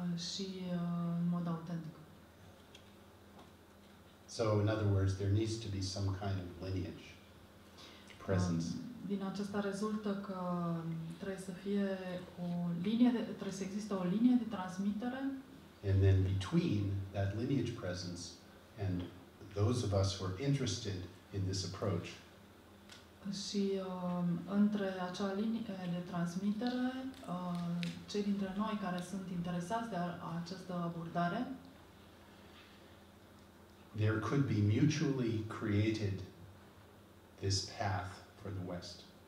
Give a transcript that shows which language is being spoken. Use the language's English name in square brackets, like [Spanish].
[Romanian] Și în mod autentic. [English] So, in other words, there needs to be some kind of lineage, presence. [Romanian] Din acesta rezultă că trebuie să fie o linie, trebuie să existe o linie de transmitere. [English] And then between that lineage presence and those of us who are interested in this approach. [Romanian] Și între acea linie de transmitere, cei dintre noi care sunt interesați de această abordare, [English] there could be mutually created this path for the West.